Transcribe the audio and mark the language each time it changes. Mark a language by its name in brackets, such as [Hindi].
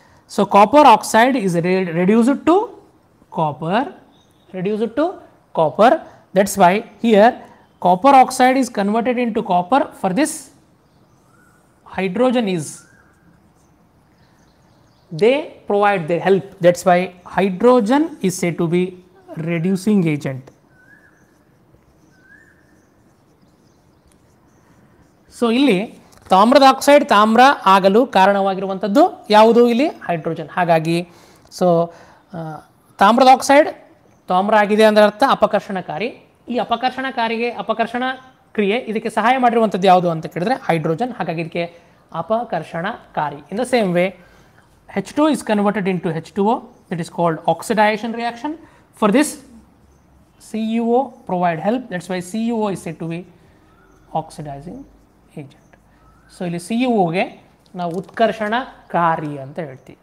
[English] So copper oxide is reduced to copper, reduced to copper. That's why here copper oxide is converted in to copper for this hydrogen is they provide their help. That's why hydrogen is said to be reducing agent. [Kannada] So ಇಲ್ಲಿ ತಾಮ್ರದ oxide ತಾಮ್ರ ಆಗಲು ಕಾರಣವಾಗಿರುವಂಥದ್ದು ಯಾವುದು, ಇಲ್ಲಿ hydrogen. ಹಾಗಾಗಿ so ತಾಮ್ರದ oxide ತಾಮ್ರ ಆಗಿದೆ ಅಂದರೆ ಅರ್ಥ ಅಪಕರ್ಷಣಕಾರಿ. ಈ ಅಪಕರ್ಷಣಕಾರಿಗೆ ಅಪಕರ್ಷಣ ಕ್ರಿಯೆ ಇದಕ್ಕೆ ಸಹಾಯ ಮಾಡಿರುವಂಥದ್ದು ಯಾವುದು ಅಂತ ಕೇಳಿದ್ರೆ ಹೈಡ್ರೋಜನ್. ಹಾಗಾಗಿ ಇದಕ್ಕೆ ಅಪಕರ್ಷಣಕಾರಿ. [English] In the same way H2 is converted into H2O, that is called oxidation reaction. For this, CuO provide help, that's why CuO is said to be oxidizing agent. [Kannada] So, ili CuO ge na utkarshana kari anta helti.